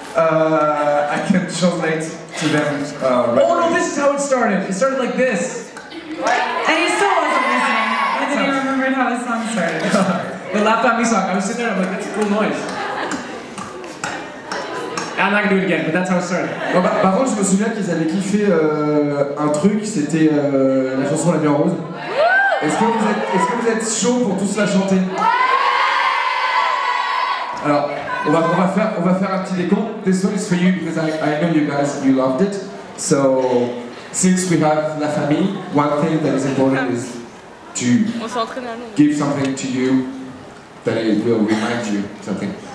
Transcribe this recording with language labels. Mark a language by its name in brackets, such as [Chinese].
[English] I can translate to them. This is how it started. It started like this. And he still wasn't listening. I didn't even remember how the song started. The La Famille song. I was sitting there, I'm like, that's a cool noise. I'm not gonna do it again, but that's how it started. [French] Bon, par contre, je me souviens qu'ils avaient kiffé un truc, c'était la chanson La Nuit en Rose. Est-ce que vous êtes chaud pour tous la chanter? Alors. On va faire un petit décompte. [English] This one is for you because I know you guys, you loved it. So, since we have La Famille, one thing that is important is to give something to you that it will remind you something.